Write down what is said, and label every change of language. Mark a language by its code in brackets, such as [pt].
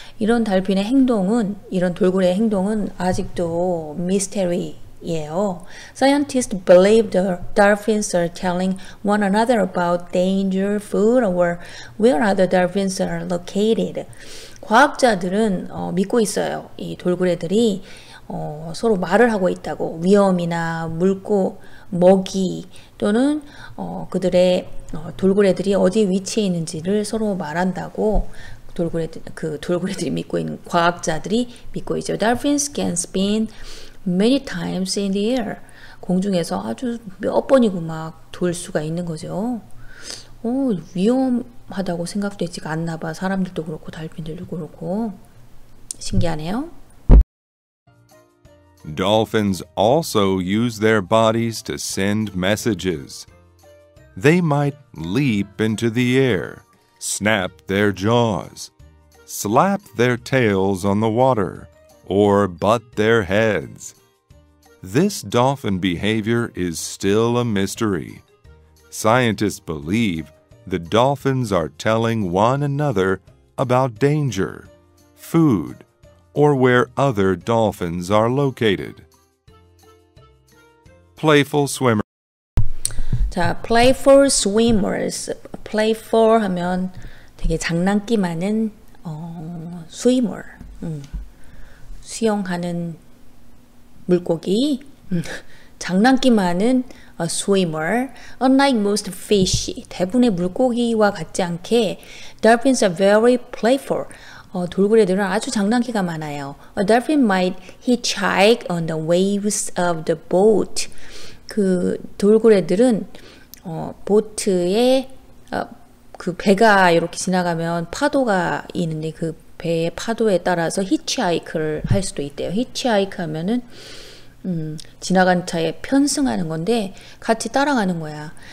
[ko] 이런 달핀의 행동은 이런 돌고래의 행동은 아직도 미스테리예요. [en] Scientists believe the dolphins are telling one another about danger, food, or where other dolphins are located. [ko] 과학자들은 믿고 있어요. 이 돌고래들이 서로 말을 하고 있다고 위험이나 물고 먹이 또는 그들의 돌고래들이 어디 위치에 있는지를 서로 말한다고 돌고래들이 믿고 있는 과학자들이 믿고 있죠. [en] Dolphins can spin many times in the air. [ko] 공중에서 아주 몇 번이고 막 돌 수가 있는 거죠. 위험하다고 생각되지 않나 봐. 사람들도 그렇고 달핀들도 그렇고 신기하네요. [en] Dolphins also use their bodies to send messages. They might leap into the air, snap their jaws, slap their tails on the water, or butt their heads. This dolphin behavior is still a mystery. Scientists believe the dolphins are telling one another about danger, food, or where other dolphins are located. Playful swimmer. [ko] 자, playful swimmers. Playful 하면 되게 장난기 많은 swimmer. 수영하는 물고기. 장난기 많은 swimmer. [en] Unlike most fish, 대부분의 물고기와 같지 않게 dolphins are very playful. [ko] 돌고래들은 아주 장난기가 많아요. A dolphin might hitchhike on the waves of the boat. 그 돌고래들은 보트에 그 배가 이렇게 지나가면 파도가 있는데 그 배의 파도에 따라서 히치하이크를 할 수도 있대요. 히치하이크 하면은 지나간 차에 편승하는 건데 같이 따라가는 거야.